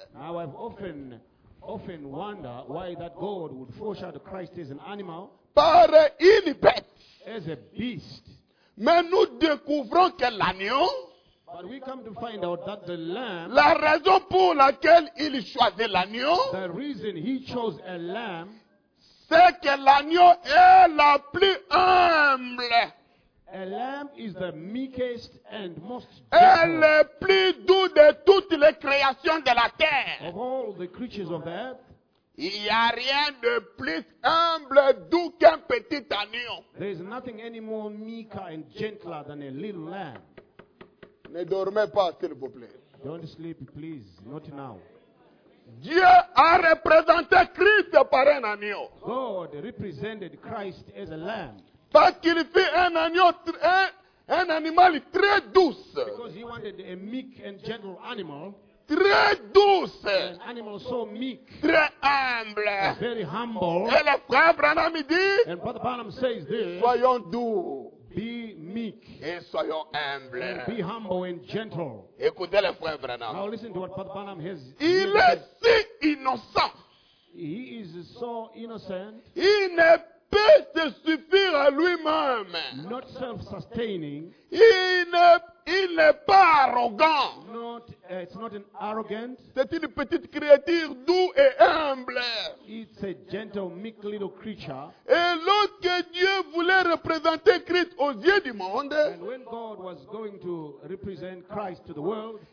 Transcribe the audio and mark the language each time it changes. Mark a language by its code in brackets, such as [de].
[en] Now I've often wonder why that God would foreshadow Christ as an animal. [fr] Par une bête. [en] As a beast. [fr] Mais nous découvrons que l'agneau. [en] But we come to find out that the lamb. [fr] La raison pour laquelle il choisit l'agneau. [en] The reason he chose a lamb. [fr] C'est que l'agneau est la plus humble. [en] A lamb is the meekest and most gentle. [fr] Et le plus doux de toutes les créations de la terre. [en] Of all the creatures of earth. [fr] Il n'y a rien de plus humble doux qu'un petit agneau. [en] There is nothing any more meeker and gentler than a little lamb. [fr] Ne dormez pas, s'il vous plaît. [en] Don't sleep, please. Not now. [fr] Dieu a représenté Christ par un agneau. [en] God represented Christ as a lamb. [fr] Parce qu'il fit un agneau, un animal très douce. [en] Because he wanted a meek and gentle animal. [fr] Très douce. [en] An animal so meek. [fr] Très humble. [en] Very humble. [fr] Et le frère Branham dit. [en] And Brother Branham says this. [fr] Soyons doux. [en] Be meek. [fr] Et soyons humble. [en] And be humble and gentle. [fr] Écoutez le frère Branham. [en] Now listen to what Brother Branham has. [fr] Il est si innocent. [en] He is so innocent. [fr] Il ne peut se suffire à lui-même. [en] Not self-sustaining. [fr] Il n'est pas arrogant. [en] It's not an arrogant. [fr] C'est une petite créature doux et humble. [en] It's a gentle, meek little creature. [fr] Et lorsque Dieu voulait représenter Christ aux yeux du monde, [en] and when God was going to represent Christ to the world,